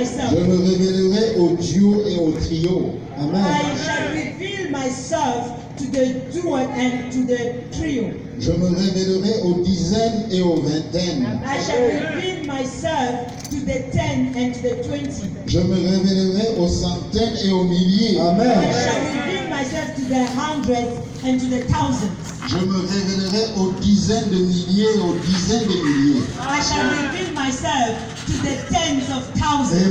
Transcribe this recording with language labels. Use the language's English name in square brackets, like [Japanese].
[French] Je me révélerai au duo et au trio. Amen. [English] I shall reveal myself to the duo and to the trio. [French] Je me révélerai aux dizaines et aux vingtaines. [English] I shall reveal myself to the ten and to the 20. [French] Je me révélerai aux centaines et aux milliers. Amen. [English] I shall reveal myself to the hundreds and to the thousands. [French] Je me révélerai aux dizaines de milliers et aux dizaines de milliers. [English] I shall reveal myself to the tens of thousands.